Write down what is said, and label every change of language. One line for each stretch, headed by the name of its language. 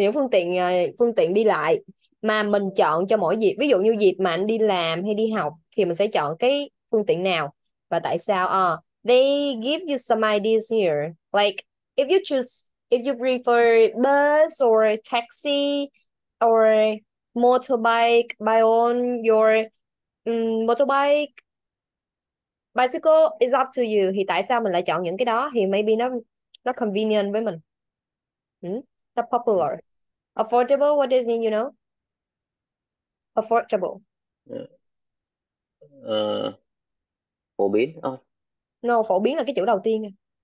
Vietnamese: tiện, những phương tiện đi lại mà mình chọn cho mỗi dịp. Ví dụ như dịp mà anh đi làm hay đi học thì mình sẽ chọn cái phương tiện nào và tại sao?
English: They give you some ideas here, like if you prefer bus or taxi or motorbike, buy on your motorbike, bicycle, it's up to you.
Vietnamese: Thì tại sao mình lại chọn những cái đó? Thì maybe nó convenient với mình.
English: Nó popular. Affordable, what does it mean, Affordable.
Vietnamese: Phổ biến thôi. No, phổ biến là cái chữ đầu tiên.